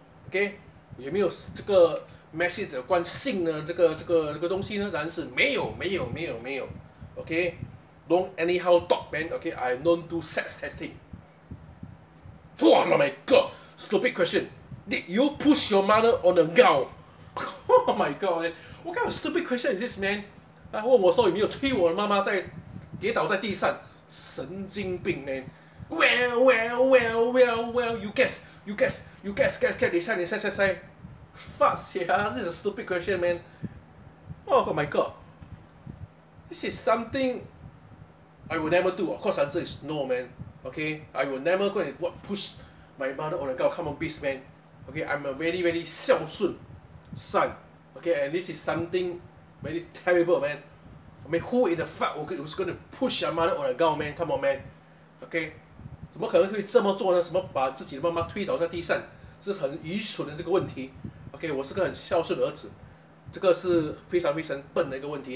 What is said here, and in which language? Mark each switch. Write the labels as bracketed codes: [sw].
[zh] Okay, 有没有这个 message 的关性呢？这个东西呢？当然是没有。 [en] Okay, don't anyhow talk, man. Okay, I don't do sex testing. Oh my god. Stupid question. Did you push your mother on the gown? Oh my god, man. What kind of stupid question is this, man? 他问我说有没有推我的妈妈跌倒在地上。神经病, man. Well, You guess. Decide. Fuck, yeah. This is a stupid question, man. Oh my god. This is something I will never do. Of course, the answer is no, man. Okay? I will never go and push my mother on the ground, come on, beast man. Okay, I'm a very, very 孝顺 son. Okay, and this is something very terrible, man. I mean, who in the fuck was going to push your mother on the ground, man? Come on, man. [zh] Okay, 怎么可能会这么做呢? 怎么把自己的妈妈推倒在地上?这是很愚蠢的这个问题. Okay, 我是个很孝顺的儿子.这个是非常非常笨的一个问题.